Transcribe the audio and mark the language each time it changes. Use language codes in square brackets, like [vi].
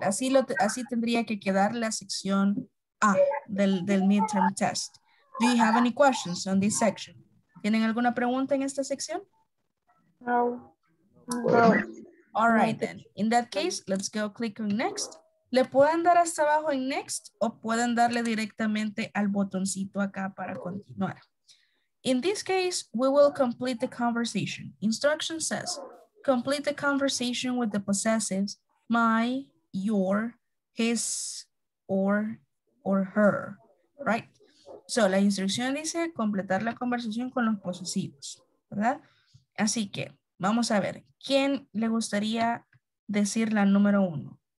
[es] Así tendría que quedar la sección A del midterm test. [en] Do you have any questions on this section? [es] ¿Tienen alguna pregunta en esta sección? No. [en] All right, then. In that case, let's go click on next. [es] ¿Le pueden dar hasta abajo en next o pueden darle directamente al botoncito acá para continuar? [en] In this case, we will complete the conversation. Instruction says, complete the conversation with the possessives, my, your, his, or her, right? [es] So, la instrucción dice completar la conversación con los posesivos, ¿verdad? Así que, vamos a ver, ¿quién le gustaría decir la número uno?